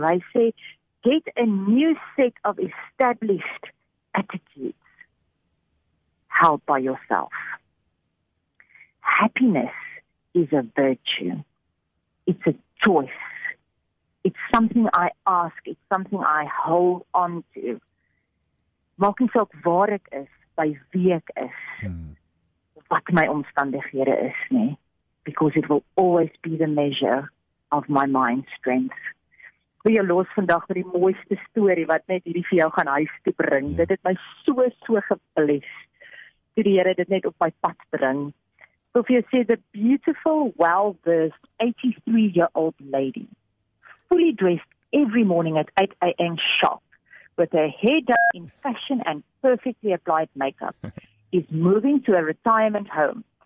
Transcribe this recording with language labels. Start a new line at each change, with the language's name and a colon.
Afrikaans: Hy sê,
English: get a new set of established attitudes held by yourself. Happiness is a virtue. It's a choice. It's something I ask. It's something I hold on to.
Afrikaans: Maak nie saak waar ek is, by wie ek is, wat my omstandighede is, nie.
English: Because it will always be the measure of my mind strength.
Afrikaans: Wie jy los vandag met die mooiste story wat net hierdie vir jou gaan huis toe bring. Dit het my so geblies. Toe die Here dit net op my pad bring.
English: So if you see the beautiful, well-versed 83-year-old lady, fully dressed every morning at 8 a.m. sharp, with her hair done in fashion and perfectly applied makeup, is moving to a retirement home.